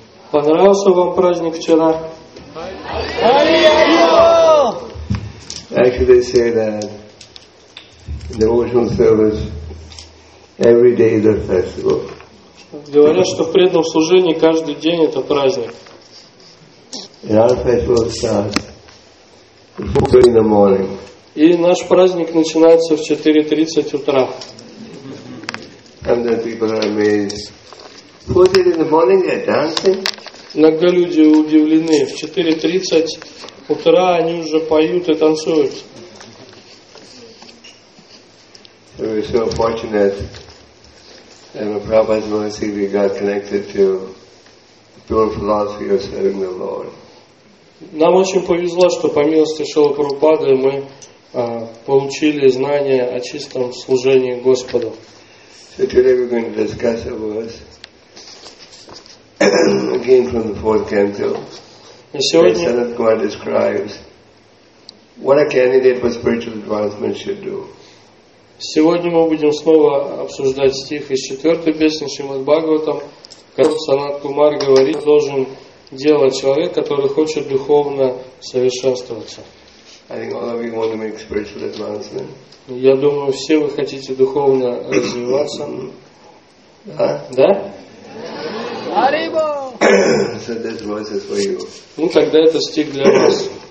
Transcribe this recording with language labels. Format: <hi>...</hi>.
<ru>Понравился вам праздник вчера?</ru> <en>Actually, say that devotional service every day is a festival.</en> <ru>Говорят, что преданное служение каждый день это праздник.</ru> <en>And our festival starts at 4 in the morning.</en> <ru>И наш праздник начинается в 4:30 утра.</ru> <en>And then people are amazed. 4:30 in the morning, they're dancing.</en> <ru>Иногда люди удивлены. В 4:30 утра они уже поют и танцуют.</ru> <en>We're so fortunate that with Prabhupada's mercy we got connected to pure philosophy of serving the Lord.</en> <ru>Нам очень повезло, что по милости Шрилы Прабхупады мы получили знания о чистом служении Господу.</ru> <en>So today we're going to discuss a verse. Again from the fourth canto.</en> <ru>Сегодня</ru> <en>Sanat Kumar describes what a candidate for spiritual advancement should do.</en> <ru>Сегодня мы будем снова обсуждать стих из четвертой песни Шримад Бхагаватам, как Санат Кумар говорит, должен делать человек, который хочет духовно совершенствоваться.</ru> <en>I think all of you want to make spiritual advancement.</en> <ru>Я думаю, все вы хотите духовно развиваться. Да?</ru> <en>So this verse is for you.</en> <ru>Ну тогда это стих для вас.</ru>